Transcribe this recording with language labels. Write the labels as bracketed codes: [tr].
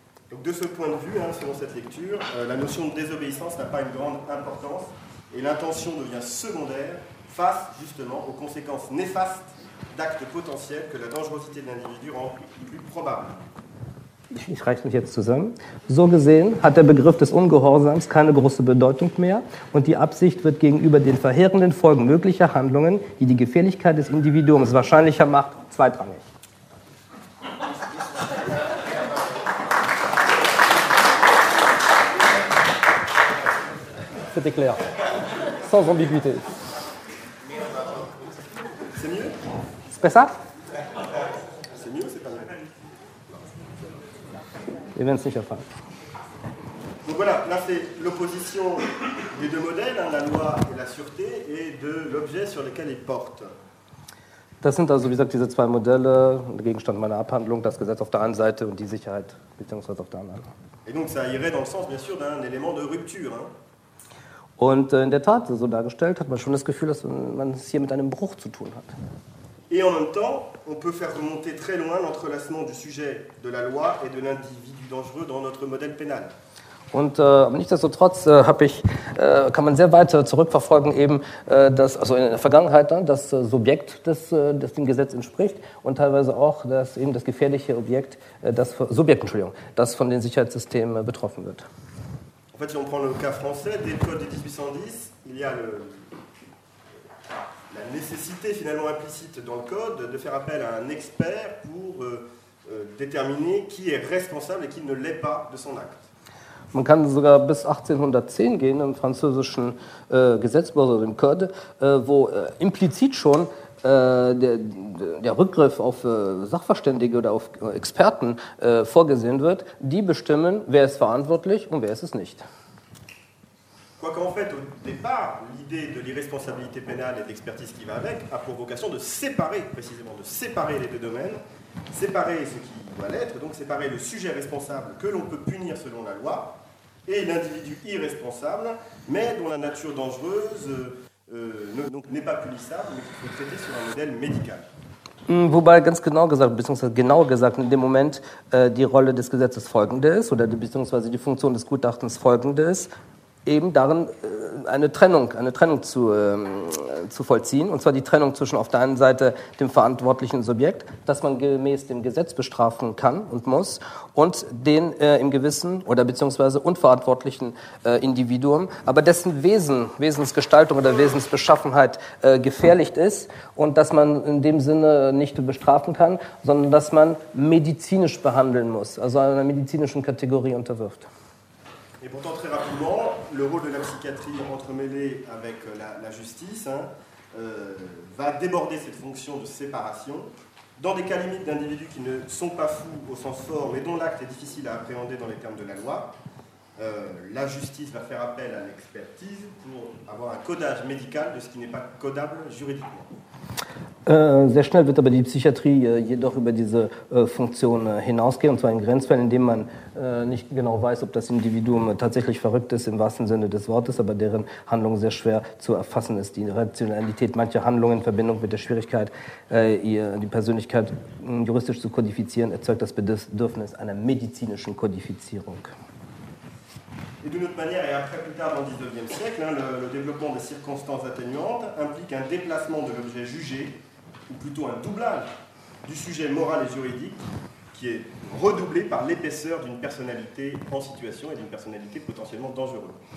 [fr] Donc de ce point de vue, selon cette lecture, la notion de désobéissance n'a pas une grande importance et l'intention devient secondaire face justement aux conséquences néfastes d'actes potentiels que la dangerosité de l'individu rend plus probable. [de] Ich reiße mich jetzt zusammen. So gesehen hat der Begriff des Ungehorsams keine große Bedeutung mehr und die Absicht wird gegenüber den verheerenden Folgen möglicher Handlungen, die die Gefährlichkeit des Individuums wahrscheinlicher macht, zweitrangig. [fr] C'était clair. Sans ambiguïté. C'est mieux ? C'est pas ça ? Ils viennent sicher faire. Donc voilà, là c'est l'opposition des deux modèles, la loi et la sûreté, et de l'objet sur lequel ils portent. [de] Das sind also, wie gesagt, diese zwei Modelle, Gegenstand meiner Abhandlung, das Gesetz auf der einen Seite und die Sicherheit bzw. auf der anderen. [fr] Et donc ça irait dans le sens, bien sûr, d'un élément de rupture. Hein. [de] Und in der Tat, so dargestellt, hat man schon das Gefühl, dass man es hier mit einem Bruch zu tun hat. [fr] Et en même temps, on peut faire remonter très loin l'entrelacement du sujet de la loi et de l'individu dangereux dans notre modèle pénal. [de] Und nichtsdestotrotz kann man sehr weit zurückverfolgen eben, dass also in der Vergangenheit dann das Subjekt, das dem Gesetz entspricht, und teilweise auch das eben das gefährliche Objekt, das von den Sicherheitssystemen betroffen wird. [fr] En fait, si on prend le cas français des codes de 1810, il y a la nécessité finalement implicite dans le code de faire appel à un expert pour déterminer qui est responsable et qui ne l'est pas de son acte. [de] Man kann sogar bis 1810 gehen im französischen Gesetzbuch oder im Code, wo implizit schon der Rückgriff auf Sachverständige oder auf Experten vorgesehen wird, die bestimmen, wer ist verantwortlich und wer ist es nicht. [fr] Quoique en fait, au départ, l'idée de l'irresponsabilité pénale et d'expertise qui va avec a pour vocation de séparer, précisément, de séparer les deux domaines, séparer ce qui doit l'être, donc séparer le sujet responsable que l'on peut punir selon la loi et l'individu irresponsable, mais dont la nature dangereuse n'est pas punissable, mais qu'il faut traiter sur un modèle médical. [de] Wobei ganz genau gesagt, beziehungsweise genau gesagt, in dem Moment die Rolle des Gesetzes folgende ist, oder beziehungsweise die Funktion des Gutachtens folgende ist, eben darin eine Trennung zu vollziehen, und zwar die Trennung zwischen auf der einen Seite dem verantwortlichen Subjekt, das man gemäß dem Gesetz bestrafen kann und muss, und den im Gewissen oder beziehungsweise unverantwortlichen Individuum, aber dessen Wesensgestaltung oder Wesensbeschaffenheit gefährlich ist und dass man in dem Sinne nicht bestrafen kann, sondern dass man medizinisch behandeln muss, also einer medizinischen Kategorie unterwirft. [fr] Et pourtant, très rapidement, le rôle de la psychiatrie entremêlé avec la justice va déborder cette fonction de séparation dans des cas limites d'individus qui ne sont pas fous au sens fort mais dont l'acte est difficile à appréhender dans les termes de la loi. La justice va faire appel à l'expertise pour avoir un codage médical de ce qui n'est pas codable juridiquement. [de] Sehr schnell wird aber die Psychiatrie jedoch über diese Funktion hinausgehen, und zwar in Grenzfällen, in denen man nicht genau weiß, ob das Individuum tatsächlich verrückt ist im wahrsten Sinne des Wortes, aber deren Handlung sehr schwer zu erfassen ist. Die Rationalität mancher Handlungen in Verbindung mit der Schwierigkeit, die Persönlichkeit juristisch zu kodifizieren, erzeugt das Bedürfnis einer medizinischen Kodifizierung. [fr] Et d'une autre manière, et après plus tard dans le 19e siècle, le développement des circonstances atténuantes implique un déplacement de l'objet jugé, ou plutôt un doublage du sujet moral et juridique, qui est redoublé par l'épaisseur d'une personnalité en situation et d'une personnalité potentiellement dangereuse.